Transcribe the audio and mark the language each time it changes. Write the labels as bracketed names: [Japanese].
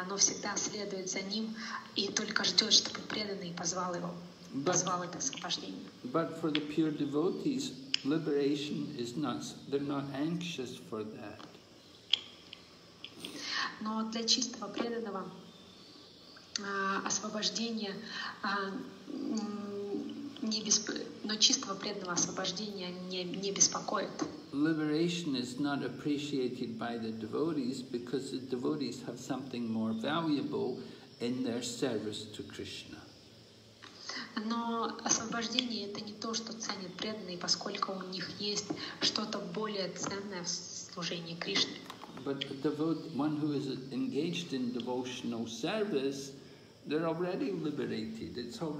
[Russian] Оно всегда следует за ним и только ждет, чтобы преданный позвал его, позвал это освобождение. [English] But for the pure devotees, liberation is not, they're not anxious for that. [Russian] Но для чистого преданного освобождение не бесп... но чистого преданного освобождение не беспокоит. [English] Liberation is not appreciated by the devotees because the devotees have something more valuable in their service to Krishna. [Russian] Но освобождение это не то, что ценят преданные, поскольку у них есть что-то более ценное в служении Кришне. [English] But a devotee, one who is engaged in devotional service, they're already liberated.